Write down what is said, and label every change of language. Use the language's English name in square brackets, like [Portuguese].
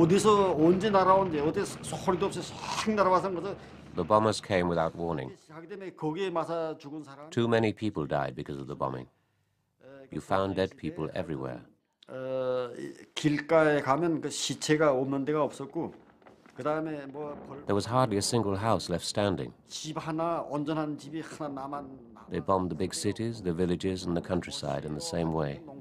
[Korean] 어디서 언제 날아온지 어디 소리도 없이 싹 날아와서 그래서. [English] The bombers came without warning. Too many people died because of the bombing. You found dead people everywhere. [Korean] 길가에 가면 그 시체가 없는 데가 없었고. [English] There was hardly a single house left standing. [Korean] 집 하나, 온전한 집이 하나 남았. [English] They bombed the big cities, the villages, and the countryside in the same way.